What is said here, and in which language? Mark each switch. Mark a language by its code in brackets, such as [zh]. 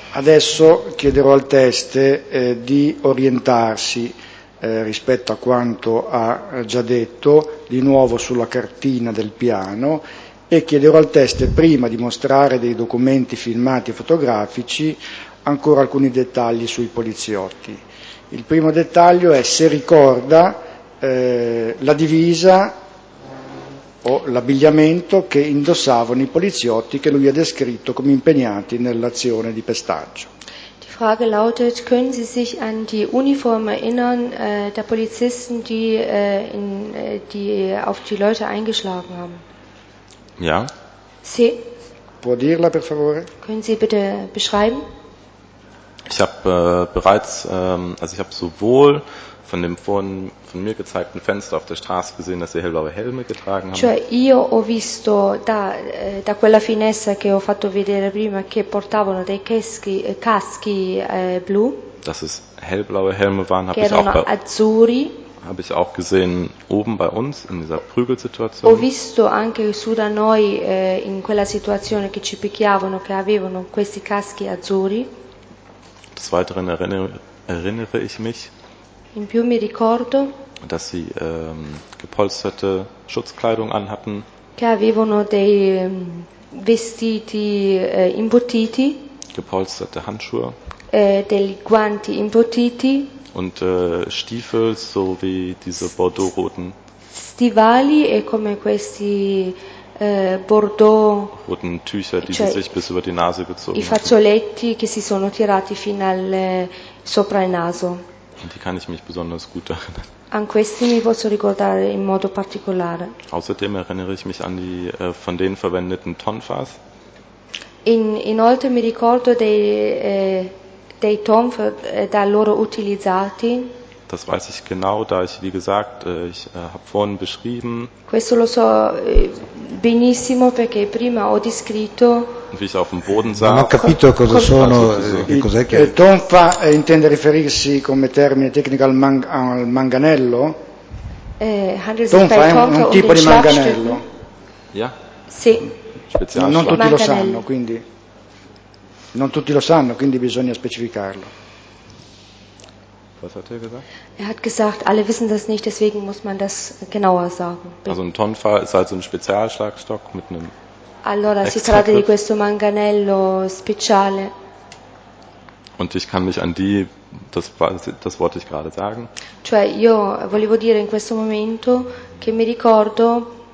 [it] Adesso chiederò al teste di orientarsi rispetto a quanto ha già detto, di nuovo sulla cartina del piano, e chiederò al teste, prima di mostrare dei documenti filmati e fotografici, ancora alcuni dettagli sui poliziotti. Il primo dettaglio è se ricorda la divisa o l'abbigliamento che indossavano i poliziotti che lui ha descritto come impegnati nell'azione di pestaggio. [de] Die Frage lautet, können Sie sich an die Uniform erinnern der Polizisten, die, die auf die Leute eingeschlagen haben? Ja. [it] Sì. Può dirla, per favore? [de] Können Sie bitte beschreiben? Ich habe bereits, also ich habe sowohl von dem von mir gezeigten Fenster auf der Straße gesehen, dass sie hellblaue Helme getragen haben. [it] Cioè, io ho visto da quella finestra che ho fatto vedere prima che portavano dei caschi blu. [de] Dass es hellblaue Helme waren, habe ich auch gesehen oben bei uns in dieser Prügelsituation. [it] Ho visto anche su da noi in quella situazione che ci picchiavano, che avevano questi caschi azzurri. [de] Des Weiteren erinnere ich mich. [it] In più mi ricordo, [de] dass sie gepolsterte Schutzkleidung anhatten, [it] che avevano dei vestiti imbottiti, [de] gepolsterte Handschuhe, [it] dei guanti imbottiti, [de] Und Stiefel so wie diese Bordeaux-roten. [it] Stivali e come questi Bordeaux. [de] Roten Tücher, die sie sich bis über die Nase gezogen haben. [it] I fazzoletti che si sono tirati fino al sopra il naso. [de] Und die kann ich mich besonders gut erinnern. [it] An questi mi posso ricordare in modo particolare. [de] Außerdem erinnere ich mich an die von denen verwendeten Tonfas. [it] Inoltre mi ricordo dei tonf da loro utilizzati. [de] Das weiß ich genau, da ich, wie gesagt, ich habe vorhin beschrieben. [it] Questo lo so benissimo perché prima ho descritto. [de] Wie ich auf dem Boden sah. [it] Non ho capito cosa sono, che cos'è che. Tonfa intende riferirsi come termine tecnico al manganello? Tonfa è un tipo di manganello. [de] Ja? [it] Sì. Non tutti lo sanno, quindi. Non tutti lo sanno, quindi bisogna specificarlo. [de] Was hat er gesagt? Er hat gesagt, alle wissen das nicht, deswegen muss man das genauer sagen. Also ein Tonfa ist also ein Spezialschlagstock mit einem. [it] Allora, si tratta di questo manganello speciale. [de] Und ich kann mich an die, das wollte ich gerade sagen. [it] Cioè, io volevo dire in questo momento che mi ricordo.